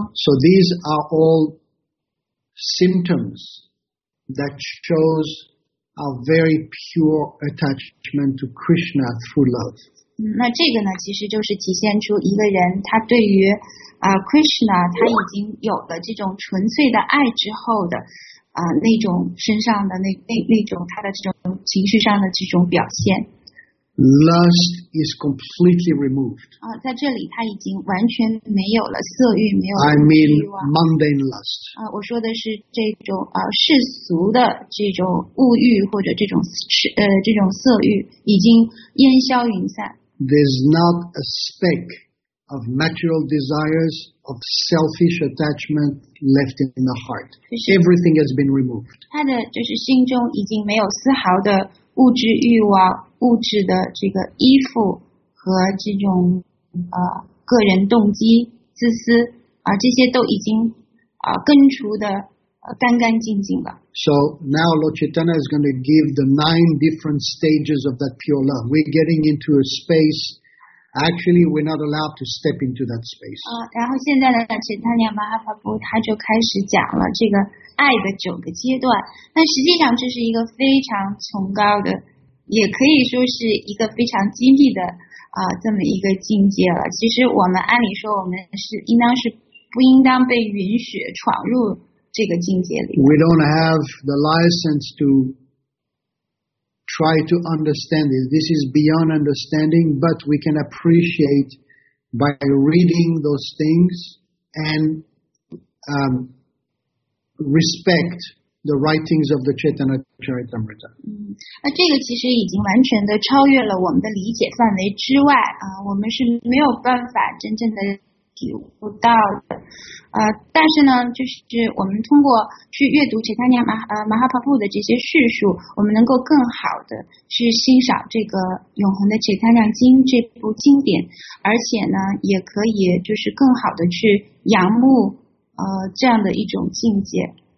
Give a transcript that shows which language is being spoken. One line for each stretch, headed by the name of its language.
English: So these are all symptoms that shows a very pure attachment to Krishna through love.
Chinese: 那这个呢，其实就是体现出一个人他对于Krishna 他已经有了这种纯粹的爱之后的那种身上的那种他的这种情绪上的这种表现。
English: Lust is completely removed.
Chinese: 啊，在这里他已经完全没有了色欲，没有了欲望。
English: I mean mundane lust.
Chinese: 啊，我说的是这种世俗的这种物欲或者这种色欲已经烟消云散。
English: There's not a speck of natural desires of selfish attachment left in the heart. Everything has been removed.
Chinese: 他的就是心中已经没有丝毫的物质欲望。物质的这个依附和这种个人动机自私啊，这些都已经根除的干干净净了。
English: So now Lord Chaitanya is going to give the nine different stages of that pure love. We're getting into a space. Actually, we're not allowed to step into that space.
Chinese: 然后现在呢，Chaitanya Mahaprabhu 他就开始讲了这个爱的九个阶段。那实际上这是一个非常崇高的。也可以说是一个非常机密的这么一个境界了。其实我们按理说我们是应当是不应当被允许闯入这个境界里。
English: We don't have the license to try to understand it. This is beyond understanding, but we can appreciate by reading those things and respect the writings of the Chaitanya Charitamrita.
Chinese: 那这个其实已经完全的超越了我们的理解范围之外啊，我们是没有办法真正的体悟到的。但是呢，就是我们通过去阅读 Chaitanya Mahaprabhu 的这些叙述，我们能够更好的去欣赏这个永恒的 Chaitanya 经这部经典，而且呢，也可以就是更好的去仰慕这样的一种境界。